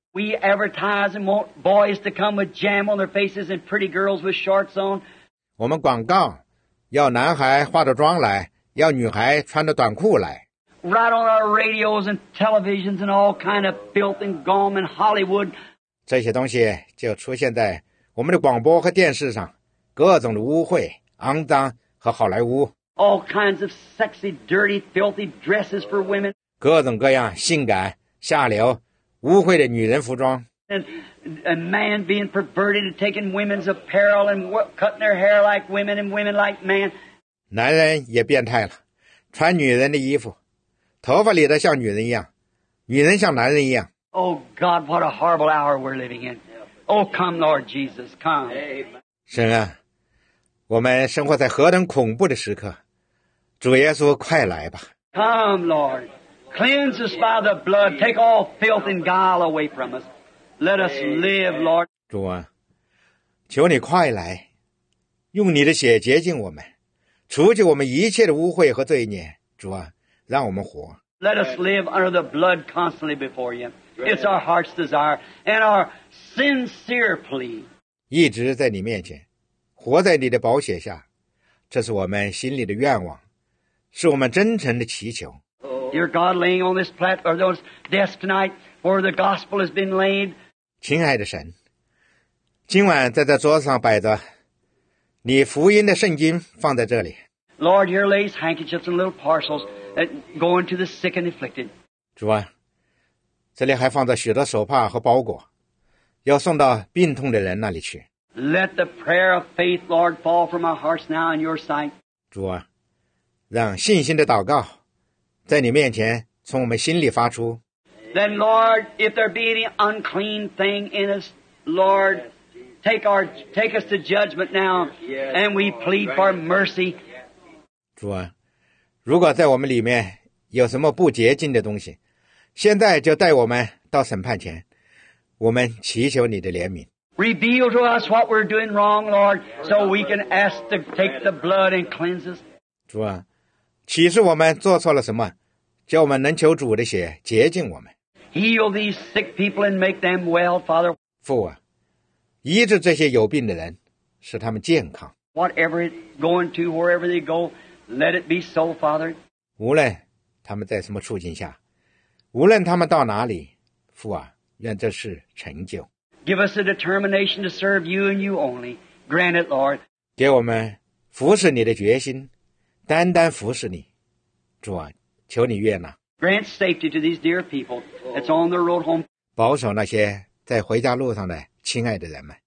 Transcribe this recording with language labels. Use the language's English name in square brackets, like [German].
[English] We advertise and want boys to come with jam on their faces and pretty girls with shorts on. [Chinese] 我们广告要男孩化着妆来，要女孩穿着短裤来。 [English] Right on our radios and televisions and all kind of filth and gum and Hollywood. [Chinese] 这些东西就出现在我们的广播和电视上，各种的污秽、肮脏和好莱坞。 [English] All kinds of sexy, dirty, filthy dresses for women. [Chinese] 各种各样性感、下流、污秽的女人服装。 [English] And man being perverted and taking women's apparel and cutting their hair like women and women like man. [Chinese] 男人也变态了，穿女人的衣服，头发理得像女人一样，女人像男人一样。 [English] Oh God, what a horrible hour we're living in. Oh come Lord Jesus, come. [Chinese] 神啊，我们生活在何等恐怖的时刻，主耶稣快来吧。 [English] Come Lord, cleanse us by the blood, take all filth and guile away from us. Let us live, Lord. [Chinese] 主啊，求你快来，用你的血洁净我们，除去我们一切的污秽和罪孽。主啊，让我们活。 [English] Let us live under the blood constantly before you. It's our heart's desire and our sincere plea. [Chinese] 一直在你面前，活在你的宝血下，这是我们心里的愿望，是我们真诚的祈求。 [English] Dear God, laying on this platform, those desks tonight, where the gospel has been laid. [Chinese] 亲爱的神，今晚在这桌上摆着你福音的圣经，放在这里。 [English] Lord, here lays handkerchiefs and little parcels that go into the sick and afflicted. [Chinese] 主啊，这里还放着许多手帕和包裹，要送到病痛的人那里去。 [English] Let the prayer of faith, Lord, fall from our hearts now in your sight. [Chinese] 主啊，让信心的祷告在你面前从我们心里发出。 [English] Then Lord, if there be any unclean thing in us, Lord, take us to judgment now, and we plead for mercy. [Chinese] 主啊，如果在我们里面有什么不洁净的东西，现在就带我们到审判前，我们祈求你的怜悯。 [English] Reveal to us what we're doing wrong, Lord, so we can ask to take the blood and cleanse us. [Chinese] 主啊，启示我们做错了什么，叫我们能求主的血洁净我们。 [English] Heal these sick people and make them well, Father. [Chinese] 父啊，医治这些有病的人，使他们健康。 [English] Whatever it going to, wherever they go, let it be so, Father. [Chinese] 无论他们在什么处境下，无论他们到哪里，父啊，愿这事成就。 [English] Give us a determination to serve you and you only. Grant it, Lord. [Chinese] 给我们服侍你的决心，单单服侍你，主啊，求你悦纳。 [English] Grant safety to these dear people that's on their road home. [Chinese] 保守那些在回家路上的亲爱的人们。